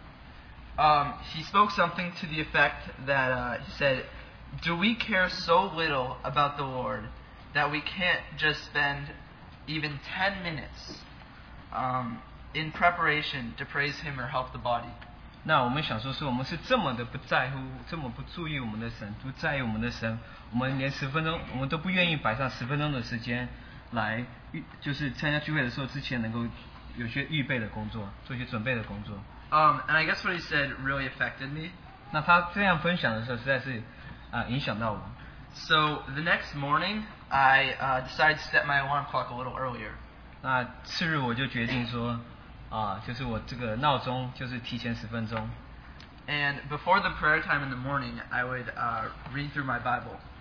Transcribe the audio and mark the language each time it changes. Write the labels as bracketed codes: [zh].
[en] spoke something to the effect that he said, "Do we care so little about the Lord that we can't just spend even 10 minutes?" In preparation to praise Him or help the body. [zh] 那我们想说是我们是这么的不在乎，这么不注意我们的神，不在意我们的神，我们连十分钟，我们都不愿意摆上十分钟的时间来，就是参加聚会的时候之前能够有些预备的工作，做一些准备的工作。And [en] I guess what he said really affected me. [zh] 那他这样分享的时候，实在是影响到我。So [en] the next morning, I decided to set my alarm clock a little earlier. [zh] 那次日我就决定说。就是我这个闹钟就是提前十分钟。 [en] And before the prayer time in the morning, I would read through my Bible.